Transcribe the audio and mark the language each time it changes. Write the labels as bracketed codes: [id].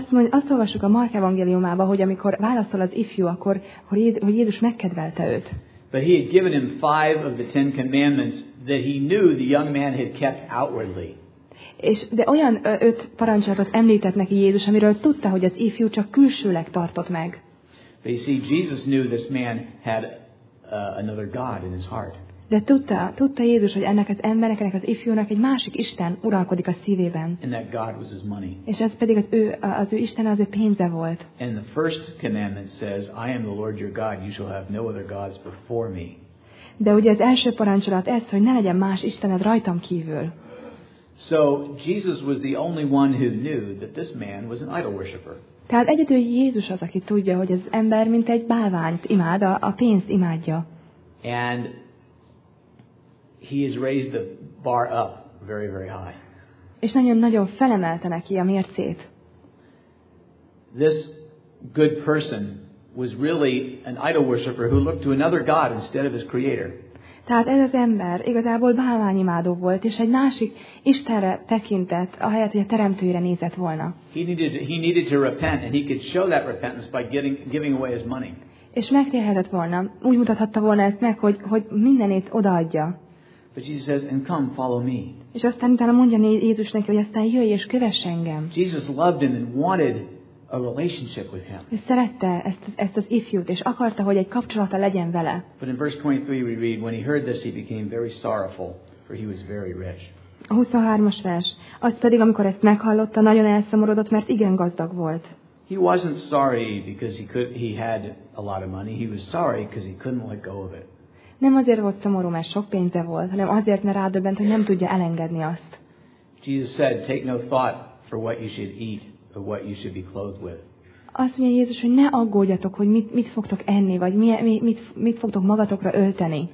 [hu] Azt olvassuk a Mark evangéliumában, hogy amikor válaszol az ifjú, akkor hogy Jézus megkedvelte őt. [en] But he had given him 5 of the 10 commandments that he knew the young man had kept outwardly. [hu] És de olyan 5 parancsolatot említett neki Jézus, amiről tudta, hogy az ifjú csak külsőleg tartott meg. [en] But you see, Jesus knew this man had another God in his heart. [hu] De tudta Jézus, hogy ennek az embereknek, az ifjúnak egy másik Isten uralkodik a szívében. [en] And that God was his money. [hu] És ez pedig az ő Isten, az ő pénze volt. [en] And the first commandment says, "I am the Lord your God, you shall have no other gods before me." [hu] De ugye az első parancsolat ez, hogy ne legyen más Istened rajtam kívül. [en] So Jesus was the only one who knew that this man was an idol worshipper. [hu] Tehát egyedül Jézus az, aki tudja, hogy ez ember mint egy bálványt imád, a pénzt imádja. [en] And he has raised the bar up very, very high. [hu] És nagyon-nagyon felemelte neki a mércét. [en] This good person was really an idol worshipper who looked to another god instead of his creator. [hu] Tehát ez az ember igazából bálványimádó volt, és egy másik Istenre tekintett, ahelyett, hogy a teremtőjére nézett volna. [en] He needed to repent, and he could show that repentance by giving away his money. [hu] És megtérhetett volna, úgy mutathatta volna ezt meg, hogy mindenét odaadja. [en] But Jesus says, "And come, follow me." [hu] És aztán utána mondja Jézus neki, hogy aztán jöjj és kövess engem. [en] Jesus loved him and wanted a relationship with him. [hu] És szerette ezt az ifjút, és akarta, hogy egy kapcsolata legyen vele. [en] But in verse 23 we read, when he heard this, he became very sorrowful, for he was very rich. [hu] A 23-as vers. Azt pedig, amikor ezt meghallotta, nagyon elszomorodott, mert igen gazdag volt. [en] He wasn't sorry because he had a lot of money. He was sorry because he couldn't let go of it. [hu] Nem azért volt szomorú, mert sok pénze volt, hanem azért, mert rádöbbent, hogy nem tudja elengedni azt. [en] Jesus said, "Take no thought for what you should eat." Or what you should be clothed with. [hu] Azt mondja Jézus, hogy ne aggódjatok, hogy mit fogtok enni, vagy mit fogtok magatokra ölteni.